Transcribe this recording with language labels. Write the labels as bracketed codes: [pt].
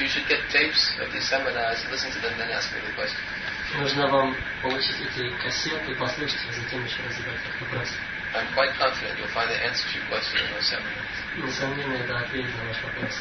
[en] You should get tapes of these seminars, listen to them, then ask me the question. [ru] Нужно вам получить эти кассеты, послушать их, затем еще раз задать этот вопрос. [en] I'm quite confident you'll find the answer to your question in those seminars. [ru] Несомненно, это ответ на ваш вопрос.